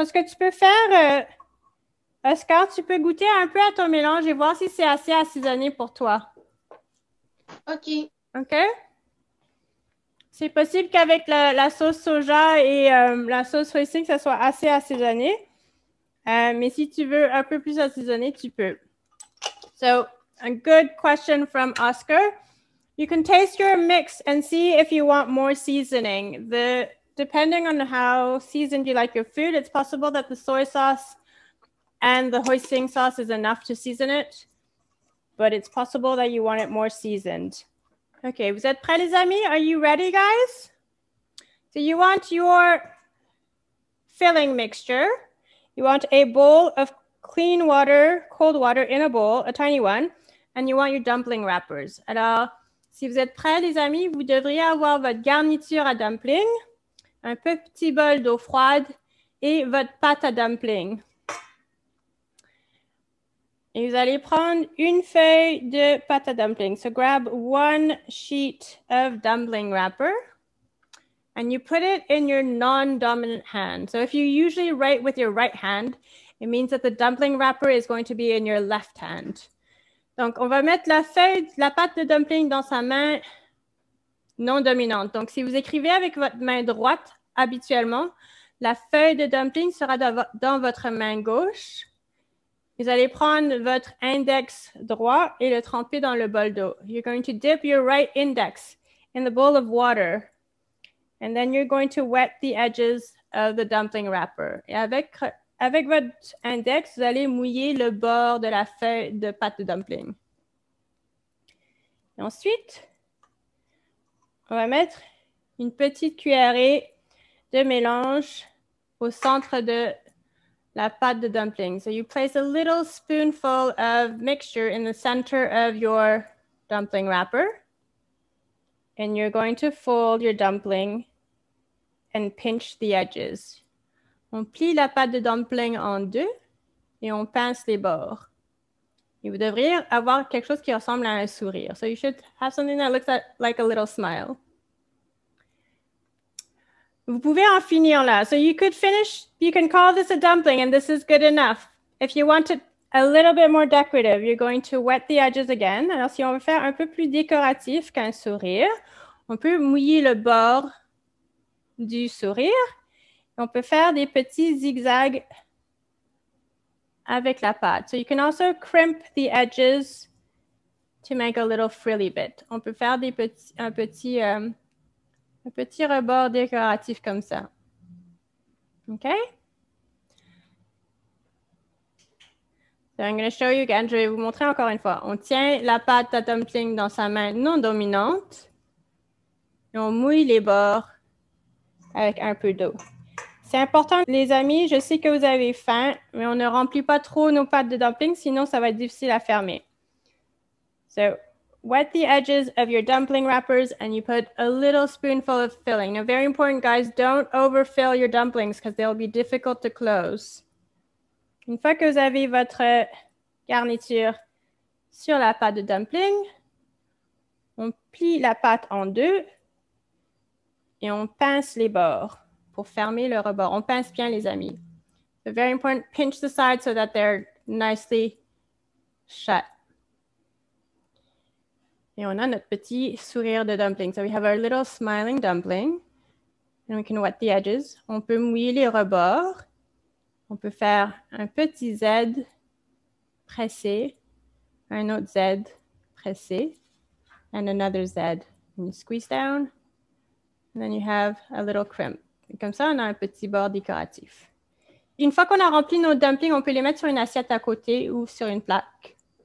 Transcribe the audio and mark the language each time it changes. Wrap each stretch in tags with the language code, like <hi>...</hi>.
<fr>Est-ce que tu peux faire, Oscar, tu peux goûter un peu à ton mélange et voir si c'est assez assaisonné pour toi. OK. OK? C'est possible qu'avec la sauce soja et la sauce hoisin, ça soit assez assaisonné. Mais si tu veux un peu plus assaisonné, tu peux.</fr> <en>So, a good question from Oscar. You can taste your mix and see if you want more seasoning. Depending on how seasoned you like your food, it's possible that the soy sauce and the hoisin sauce is enough to season it, but it's possible that you want it more seasoned. Okay,</en> <fr>vous êtes prêts, les amis?</fr> <en>Are you ready, guys? So you want your filling mixture. You want a bowl of clean water, cold water in a bowl, a tiny one, and you want your dumpling wrappers.</en> <fr>Alors, si vous êtes prêts, les amis, vous devriez avoir votre garniture à dumpling. Un petit bol d'eau froide et votre pâte à dumpling. Et vous allez prendre une feuille de pâte à dumpling.</fr> <en>So grab one sheet of dumpling wrapper and you put it in your non-dominant hand. So if you usually write with your right hand, it means that the dumpling wrapper is going to be in your left hand.</en> <fr>Donc, on va mettre la pâte de dumpling dans sa main non dominante. Donc, si vous écrivez avec votre main droite habituellement, la feuille de dumpling sera dans votre main gauche. Vous allez prendre votre index droit et le tremper dans le bol d'eau.</fr> <en>You're going to dip your right index in the bowl of water. And then you're going to wet the edges of the dumpling wrapper.</en> <fr>Et avec votre index, vous allez mouiller le bord de la feuille de pâte de dumpling. Et ensuite, on va mettre une petite cuillerée de mélange au centre de la pâte de dumpling.</fr> <en>So you place a little spoonful of mixture in the center of your dumpling wrapper. And you're going to fold your dumpling and pinch the edges.</en> <fr>On plie la pâte de dumpling en deux et on pince les bords. Et vous devriez avoir quelque chose qui ressemble à un sourire.</fr> <en>So you should have something that looks like a little smile.</en> <fr>Vous pouvez en finir là.</fr> <en>So you could finish, you can call this a dumpling and this is good enough. If you want it a little bit more decorative, you're going to wet the edges again.</en> <fr>Alors si on veut faire un peu plus décoratif qu'un sourire, on peut mouiller le bord du sourire. On peut faire des petits zigzags avec la pâte.</fr> <en>So you can also crimp the edges to make a little frilly bit.</en> <fr>On peut faire un petit rebord décoratif comme ça. OK?</fr> <en>So I'm going to show you again.</en> <fr>Je vais vous montrer encore une fois. On tient la pâte à dumpling dans sa main non dominante et on mouille les bords avec un peu d'eau. C'est important, les amis, je sais que vous avez faim, mais on ne remplit pas trop nos pâtes de dumpling, sinon ça va être difficile à fermer.</fr> <en>So, wet the edges of your dumpling wrappers and you put a little spoonful of filling. Now, very important, guys, don't overfill your dumplings because they'll be difficult to close.</en> <fr>Une fois que vous avez votre garniture sur la pâte de dumpling, on plie la pâte en deux et on pince les bords pour fermer le rebord. On pince bien, les amis.</fr> <en>But very important, pinch the sides so that they're nicely shut.</en> <fr>Et on a notre petit sourire de dumpling.</fr> <en>So we have our little smiling dumpling. And we can wet the edges.</en> <fr>On peut mouiller les rebords. On peut faire un petit Z pressé, un autre Z pressé,</fr> <en>and another Z. And you squeeze down, and then you have a little crimp.</en> <fr>Et comme ça, on a un petit bord décoratif. Une fois qu'on a rempli nos dumplings, on peut les mettre sur une assiette à côté ou sur une plaque.</fr>